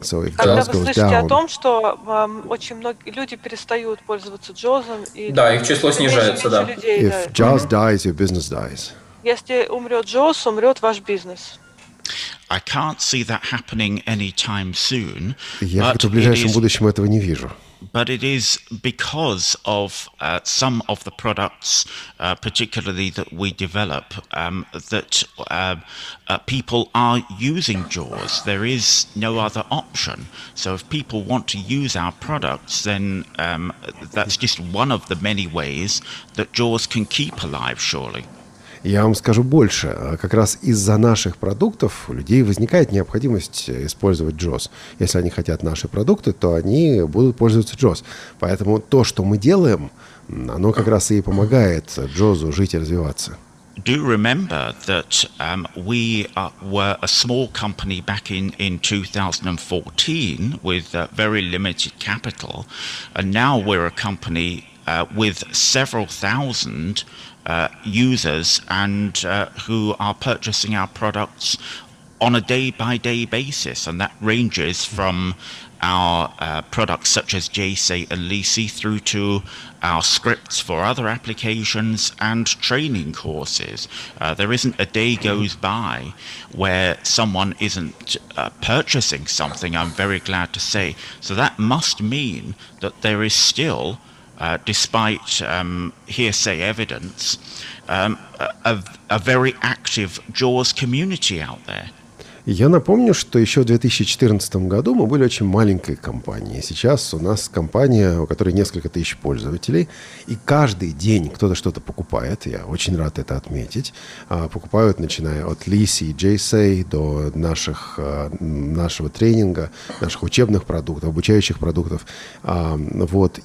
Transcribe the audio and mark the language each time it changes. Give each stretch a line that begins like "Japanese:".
English: So if JAWS goes down...
Russian: Когда вы слышите о том, что очень многие люди перестают пользоваться JAWS, да, их число снижается, да.
English: If JAWS dies, your business dies.
Russian: Если умрет JAWS, умрет ваш бизнес.
English: I can't see that happening anytime soon.
Russian: Я в ближайшем будущем этого не вижу.
English: But it is because of some of the products, particularly that we develop, that people are using JAWS. There is no other option. So if people want to use our products, then that's just one of the many ways that JAWS can keep alive, surely.
Russian: Я вам скажу больше. Как раз из-за наших продуктов у людей возникает необходимость использовать JAWS. Если они хотят наши продукты, то они будут пользоваться JAWS. Поэтому то, что мы делаем, оно как раз и помогает JAWS-у жить и развиваться.
English: Do remember that we were a small company back in 2014 with very limited capital, and now we're a company with several thousand users and who are purchasing our products on a day-by-day basis, and that ranges from our products such as JSA and Leesy through to our scripts for other applications and training courses. There isn't a day goes by where someone isn't purchasing something, I'm very glad to say. So that must mean that there is still, despite hearsay evidence, a very active JAWS community out there.
Russian: Я напомню, что еще в 2014 году мы были очень маленькой компанией. Сейчас у нас компания, у которой несколько тысяч пользователей. И каждый день кто-то что-то покупает. Я очень рад это отметить. Покупают, начиная от Lisi и JSay до нашего тренинга, наших учебных продуктов, обучающих продуктов. Вот.